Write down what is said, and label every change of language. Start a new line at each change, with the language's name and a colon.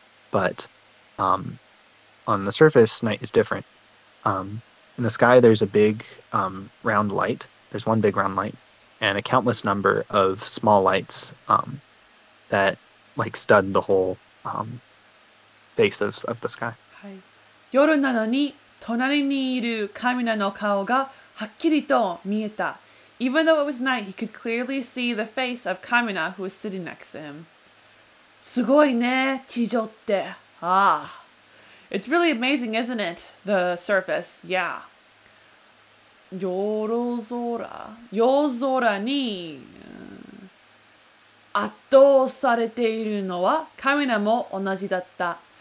English: But on the surface, night is different. In the sky, there's a big round light. There's one big round light and a countless number of small lights that like stud the whole face of the sky.
Japanese: 夜なのに隣にいる神奈の顔がはっきりと見えた。
English: Even though it was night, he could clearly see the face of Kamina, who was sitting next to him.
Japanese: すごいね、地上って。
English: Ah. It's really amazing, isn't it? The surface. Yeah.
Japanese: 夜空に圧倒されているのは、Kamina も同じだった。